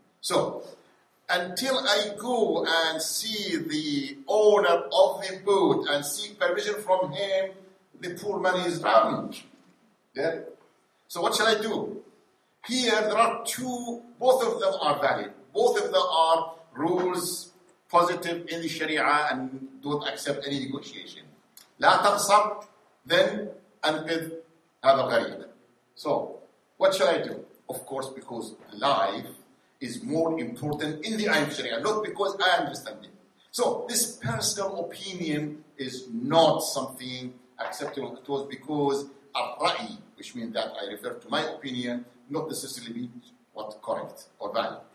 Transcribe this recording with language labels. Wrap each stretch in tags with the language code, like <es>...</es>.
<en>So, until I go and see the owner of the boat and seek permission from him, the poor man is drowning. Yeah? So what shall I do? Here there are two, both of them are valid. Both of them are rules positive in the Sharia and don't accept any negotiation.</en> <ar>لا تغصب then أنقذ هذا الغريب.</ar> <en>So what shall I do? Of course, because life is more important in the eye of Sharia, not because I understand it. So this personal opinion is not something acceptable at all because الرأي, which means that I refer to my opinion, not necessarily mean what correct or valid.</en>